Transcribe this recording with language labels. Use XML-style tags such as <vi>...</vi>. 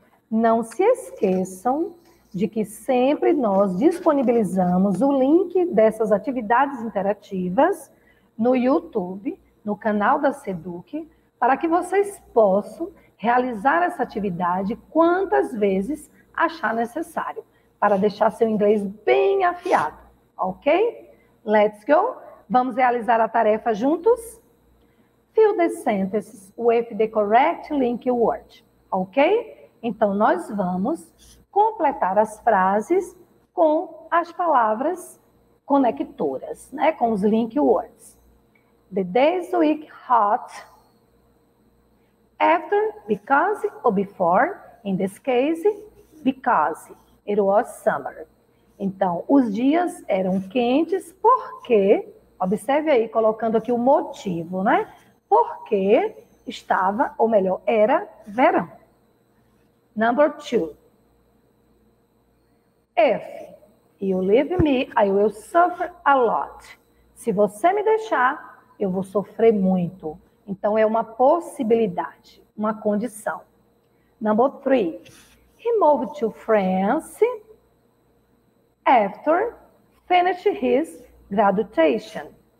<pt>Não se esqueçam de que sempre nós disponibilizamos o link dessas atividades interativas no YouTube, no canal da Seduc, para que vocês possam realizar essa atividade quantas vezes achar necessário, para deixar seu inglês bem afiado, ok?</pt> <en>Let's go!</en> <pt>Vamos realizar a tarefa juntos?</pt> <en>Fill the sentences with the correct link word, ok?</en> <pt>Então, nós vamos completar as frases com as palavras conectoras, né? Com os link words.</pt> <en>The days week hot, after, because or before, in this case, because it was summer.</en> <pt>Então, os dias eram quentes porque, observe aí, colocando aqui o motivo, né? Porque estava, ou melhor, era verão.</pt> <en>Number two. If you leave me, I will suffer a lot.</en> <pt>Se você me deixar, eu vou sofrer muito. Então, é uma possibilidade, uma condição.</pt> <en>Number three. He moved to France after finished his graduation.</en>